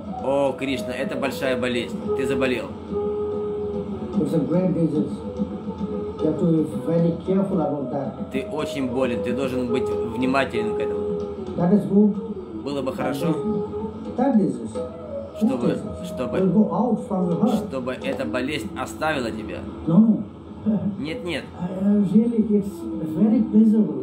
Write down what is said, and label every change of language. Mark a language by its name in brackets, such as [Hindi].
[Russian] О, Кришна, это большая болезнь. Ты заболел. [English] It's a great disease. You have to be very careful about that. [Russian] Ты очень болен. Ты должен быть внимателен к этому. [English] That is good. [Russian] Было бы хорошо. [English] That disease. [Russian] Чтобы эта болезнь оставила тебя. [English] No. [Russian] Нет. [English] Really,